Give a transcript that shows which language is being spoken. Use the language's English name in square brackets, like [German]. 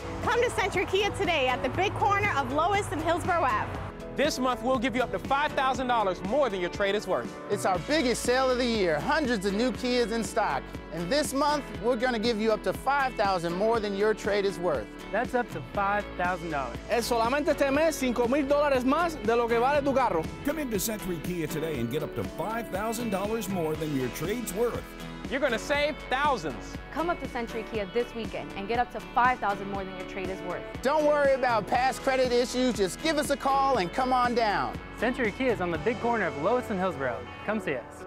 [English] Come to Century Kia today at the big corner of Lois and Hillsborough Ave. This month, we'll give you up to $5,000 more than your trade is worth. It's our biggest sale of the year. Hundreds of new Kias in stock. And this month, we're going to give you up to $5,000 more than your trade is worth. That's up to $5,000. [Spanish] Es solamente este mes $5,000 más de lo que vale tu carro. [English] Come into Century Kia today and get up to $5,000 more than your trade's worth. You're going to save thousands. Come up to Century Kia this weekend and get up to $5,000 more than your trade is worth. Don't worry about past credit issues. Just give us a call and come on down. Century Kia is on the big corner of Lois and Hillsborough. Come see us.